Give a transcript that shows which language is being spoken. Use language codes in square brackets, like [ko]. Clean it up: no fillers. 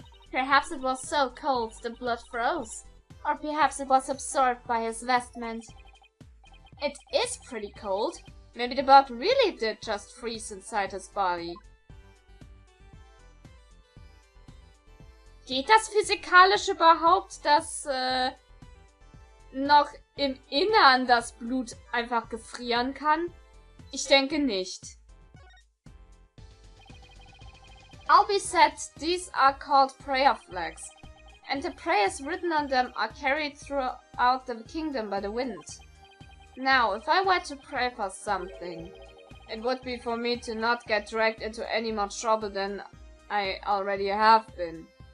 [en] Perhaps it was so cold the blood froze. Or perhaps it was absorbed by his vestment. It is pretty cold. Maybe the bug really did just freeze inside his body. [de] Geht das physikalisch überhaupt, dass noch im Innern das Blut einfach gefrieren kann? Ich denke nicht. [en] I'll be said these are called prayer flags, and the prayers written on them are carried throughout the kingdom by the wind. Now, if I were to pray for something, it would be for me to not get dragged into any more trouble than I already have been.